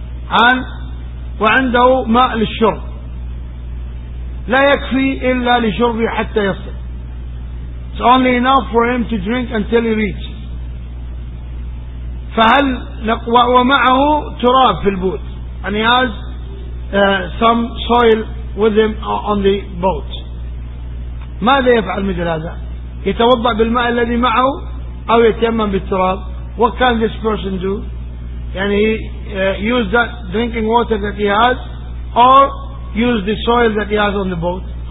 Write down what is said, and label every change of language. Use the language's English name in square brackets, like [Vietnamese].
[Arabic] And وعنده ماء للشرب. لا يكفي إلا لشرب حتى يصل. [English] It's only enough for him to drink until he reaches. [Arabic] فهل ومعه تراب في البوت. [English] And he has some soil with him on the boat. [Arabic] ماذا يفعل مثل هذا؟ يتوضع بالماء الذي معه أو يتيمم بالتراب. [English] What can this person do? يعني he use that drinking water that he has or use the soil that he has on the boat.